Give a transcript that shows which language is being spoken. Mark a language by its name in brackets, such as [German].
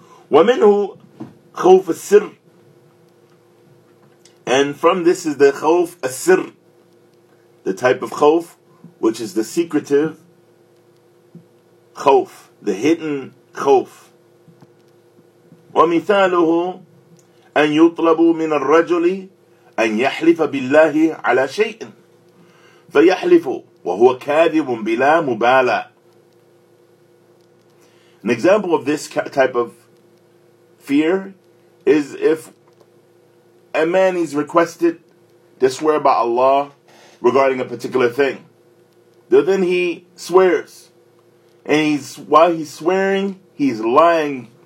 [Arabic] وَمِنْهُ خَوْفَ السِّرْ. [English] And from this is the khawf السِّرْ, the type of khawf, which is the secretive khawf, the hidden khawf. [Arabic] ومثاله أن يطلب من الرجل أن يحلف بالله على شيء فيحلف وهو كاذب بلا مبالاة. [English] An example of this type of fear is if a man is requested to swear by Allah regarding a particular thing. Then he swears, and while he's swearing, he's lying.